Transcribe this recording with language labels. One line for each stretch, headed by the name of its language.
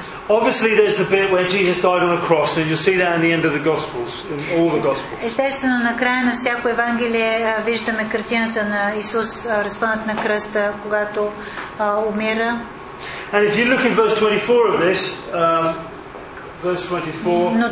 English: Obviously, there's the bit where Jesus died on a cross, and you'll see that in the end of the Gospels, in all the Gospels.
Bulgarian: Естествено, на края на всяко Евангелие виждаме картината на Исус разпънат на кръста, когато умира.
English: And if you look in verse 24 of this, verse 24,